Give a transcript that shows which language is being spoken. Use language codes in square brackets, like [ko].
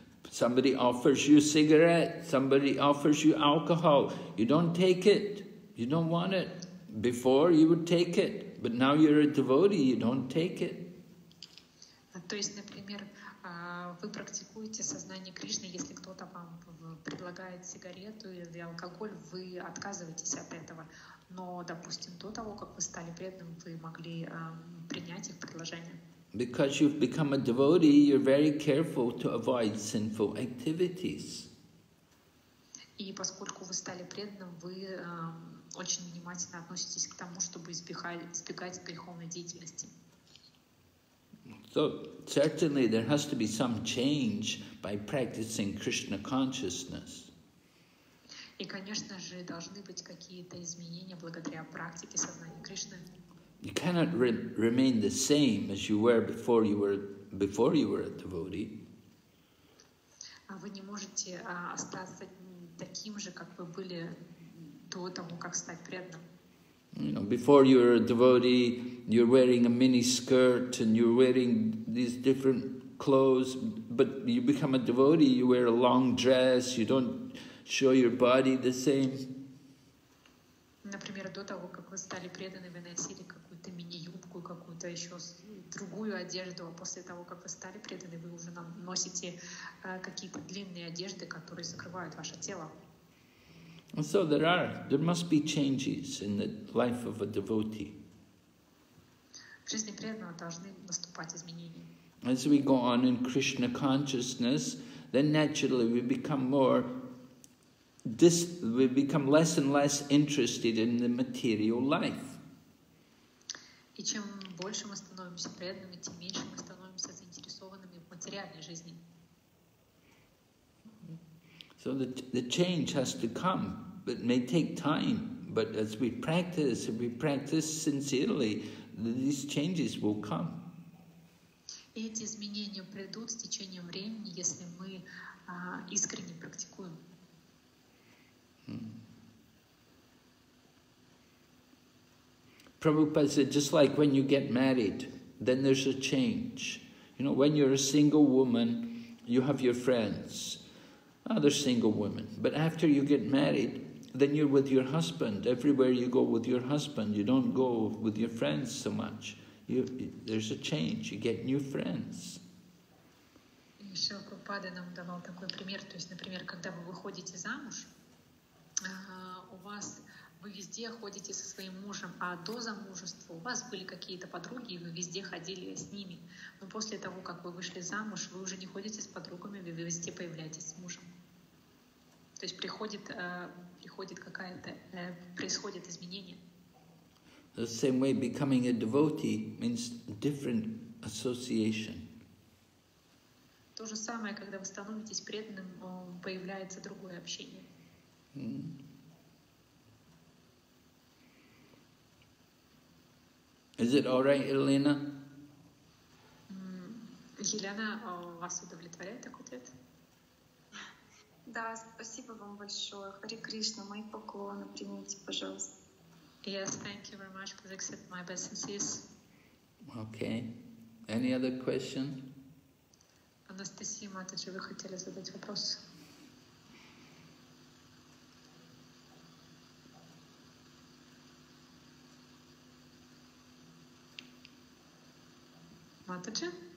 [en] Somebody offers you cigarette, somebody offers you alcohol. You don't take it. You don't want it. Before, you would take it. But now you're a devotee, you don't take it. [ru] То есть, например, вы практикуете сознание Кришны, если кто-то вам предлагает сигарету или алкоголь, вы отказываетесь от этого. Но, допустим, до того, как вы стали преданным, вы могли принять их предложение. [en] Because you've become a devotee, you're very careful to avoid sinful activities. [ru] И поскольку вы стали преданным, вы очень внимательно относитесь к тому, чтобы избегать греховной деятельности. [en] So, certainly there has to be some change by practicing Krishna consciousness. [ru] И, конечно же, должны быть какие-то изменения благодаря практике сознания Кришны. [en] You cannot remain the same as you were before you were a devotee. [ru] Вы не можете остаться таким же, как вы были до того, как стать преданным. [en] You know, before you were a devotee, you're wearing a mini skirt and you're wearing these different clothes. But you become a devotee, you wear a long dress. You don't show your body the same. [ru] Например, до того, как вы стали преданным, вы носили какую-то мини-юбку, какую-то еще другую одежду. А после того, как вы стали преданным, вы уже носите какие-то длинные одежды, которые закрывают ваше тело. [en] So there must be changes in the life of a devotee. [ru] В жизни преданного должны наступать изменения. [en] As we go on in Krishna consciousness, then naturally we become more. We become less and less interested in the material life. [ru] И чем больше мы становимся преданными, тем меньше мы становимся заинтересованными в материальной жизни. [en] So the change has to come, but it may take time. But as we practice sincerely, these changes will come. [ru] И эти изменения придут с течением времени, если мы искренне практикуем. [en] Prabhupada said, just like when you get married, then there's a change. You know, when you're a single woman, you have your friends, other single women. But after you get married, then you're with your husband. Everywhere you go with your husband, you don't go with your friends so much. There's a change, you get new friends. [ru] Шрила Прабхупада нам давал такой пример. То есть, например, когда вы выходите замуж, вы везде ходите со своим мужем, а до замужества у вас были какие-то подруги, и вы везде ходили с ними. Но после того, как вы вышли замуж, вы уже не ходите с подругами, вы везде появляетесь с мужем. То есть происходит изменение. [en] The same way becoming a devotee means different association. [ru] То же самое, когда вы становитесь преданным, появляется другое общение. [en] Is it all right, Elena? [ru] Елена, вас удовлетворяет такой ответ? Да, спасибо вам большое. Хари Кришна, мои поклоны, примите, пожалуйста. [en] Yes, thank you very much. Please accept my best wishes. Okay. Any other question? [ru] Анастасия Матаджи, вы хотели задать вопрос? Матаджи?